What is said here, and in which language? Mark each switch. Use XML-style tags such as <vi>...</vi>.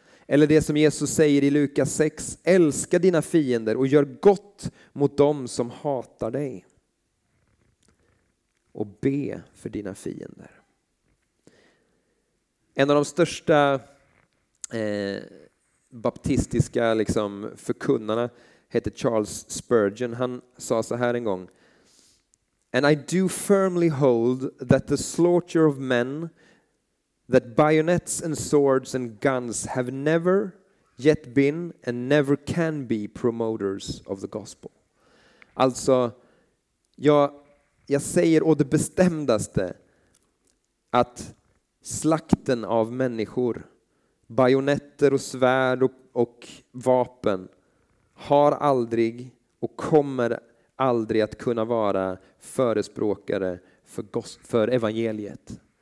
<sv>Eller det som Jesus säger i Lukas 6. Älska dina fiender och gör gott mot dem som hatar dig. Och be för dina fiender. En av de största baptistiska förkunnarna hette Charles Spurgeon. Han sa så här en gång.</sv> <en>And I do firmly hold that the slaughter of men, that bayonets and swords and guns have never yet been and never can be promoters of the gospel.</en> <sv>Alltså, jag säger och det bestämdaste att slakten av människor, bajonetter och svärd och vapen har aldrig och kommer aldrig att kunna vara förespråkare för evangeliet.</sv>